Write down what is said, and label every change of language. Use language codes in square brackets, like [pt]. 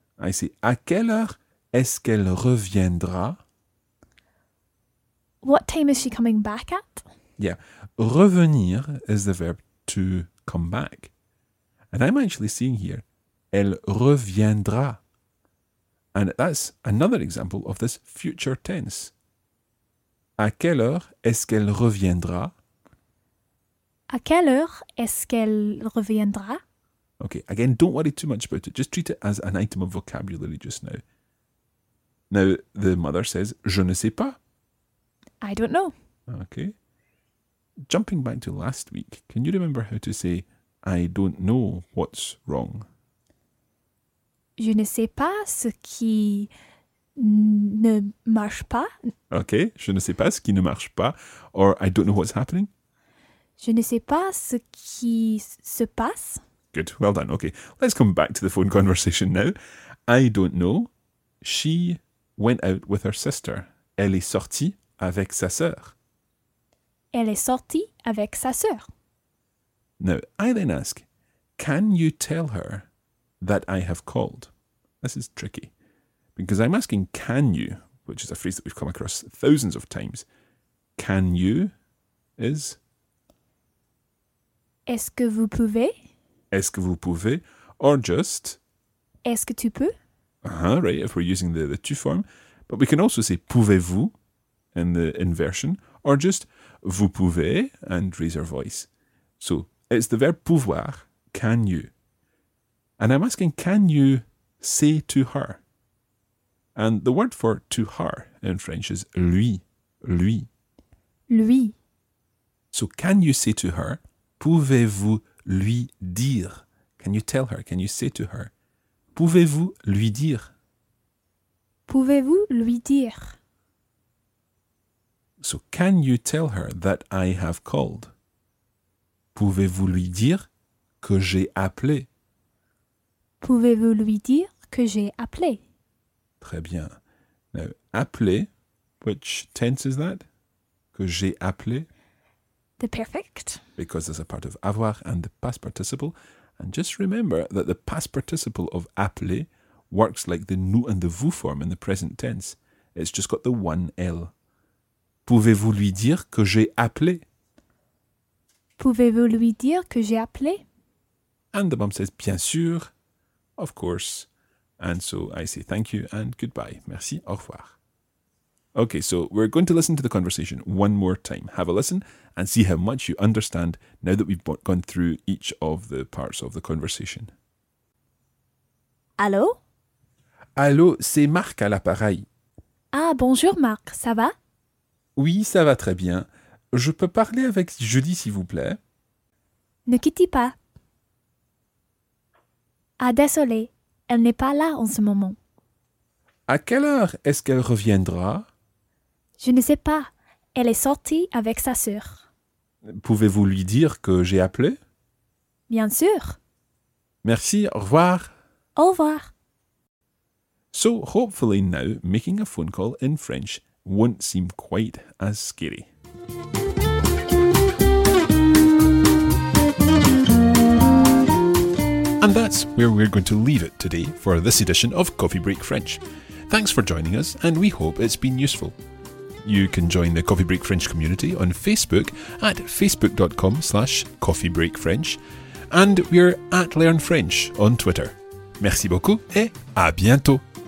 [en] I say, [fr] à quelle heure est-ce qu'elle reviendra? [en] What time is she coming back at? Yeah, revenir is the verb to come back. And I'm actually seeing here, elle reviendra. And that's another example of this future tense. [fr] À quelle heure est-ce qu'elle reviendra? À quelle heure est-ce qu'elle reviendra? [en] Okay, again, don't worry too much about it. Just treat it as an item of vocabulary just now. Now, the mother says, [fr] je ne sais pas. [en] I don't know. Okay. Jumping back to last week, can you remember how to say, I don't know what's wrong? [fr] Je ne sais pas ce qui ne marche pas. Okay, je ne sais pas ce qui ne marche pas. [en] Or, I don't know what's happening. [fr] Je ne sais pas ce qui se passe. [en] Good, well done. Okay, let's come back to the phone conversation now. I don't know. She went out with her sister. [fr] Elle est sortie avec sa sœur. Elle est sortie avec sa sœur. [en] Now, I then ask, can you tell her that I have called? This is tricky. Because I'm asking, can you? which is a phrase that we've come across thousands of times. Can you is? [fr] Est-ce que vous pouvez? Est-ce que vous pouvez? [en] Or just? [fr] Est-ce que tu peux? [en] Uh-huh, right, if we're using the tu form. But we can also say [fr] pouvez-vous [en] in the inversion, or just [fr] vous pouvez [en] and raise our voice. So it's the verb pouvoir, can you? And I'm asking, can you say to her? And the word for to her in French is [fr] lui, lui. Lui. [en] So can you say to her, [fr] pouvez-vous lui dire? [en] Can you tell her, can you say to her, [fr] pouvez-vous lui dire? Pouvez-vous lui dire? [en] So can you tell her that I have called? [fr] Pouvez-vous lui dire que j'ai appelé? Pouvez-vous lui dire que j'ai appelé? Très bien. [en] Now, appeler, which tense is that? [fr] Que j'ai appelé? [en] The perfect. Because there's a part of avoir and the past participle. And just remember that the past participle of appeler works like the nous and the vous form in the present tense. It's just got the one L. [fr] Pouvez-vous lui dire que j'ai appelé? Pouvez-vous lui dire que j'ai appelé? [en] And the mum says, [fr] bien sûr. [en] Of course. And so I say thank you and goodbye. [fr] Merci, au revoir. [en] Okay, so we're going to listen to the conversation one more time. Have a listen and see how much you understand now that we've gone through each of the parts of the conversation. [fr] Allô? Allô, c'est Marc à l'appareil. Ah, bonjour Marc, ça va? Oui, ça va très bien. Je peux parler avec Julie, s'il vous plaît? Ne quittez pas. Ah, désolé, elle n'est pas là en ce moment. À quelle heure est-ce qu'elle reviendra? Je ne sais pas. Elle est sortie avec sa sœur. Pouvez-vous lui dire que j'ai appelé? Bien sûr. Merci, au revoir. Au revoir. [en] So, hopefully now, making a phone call in French won't seem quite as scary. And that's where we're going to leave it today for this edition of Coffee Break French. Thanks for joining us, and we hope it's been useful. You can join the Coffee Break French community on Facebook at facebook.com/coffeebreakfrench, and we're at Learn French on Twitter. [fr] Merci beaucoup et à bientôt!